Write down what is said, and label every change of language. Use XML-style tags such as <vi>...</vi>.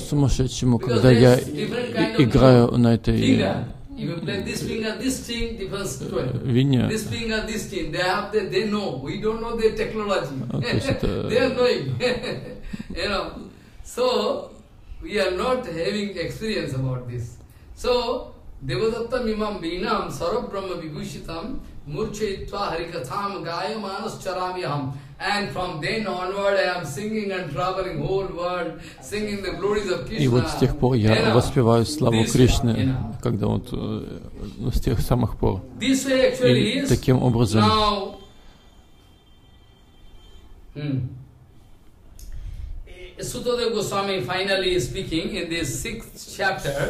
<ru>сумасшедшему, когда я играю на этой... Вине.</ru> <en>This finger, this thing, they have, they know. We don't know their technology. They are knowing. You know. So we are not having experience about this.</en> <sa>So Devadatta Mimam Binam Sarab Brahma Vibhushitam Murchaitva Harikatham Gaya Manas Charamiham.</sa> <en>And from then onward, I am singing and traveling whole world, singing the glories of Krishna.</en> <ru>И вот с тех пор я воспеваю славу Кришны, когда вот с тех самых пор.</ru> <en>This way actually</en> <ru>и таким образом.</ru> <en>Now, Sutadev Goswami finally is speaking in this sixth chapter.</en>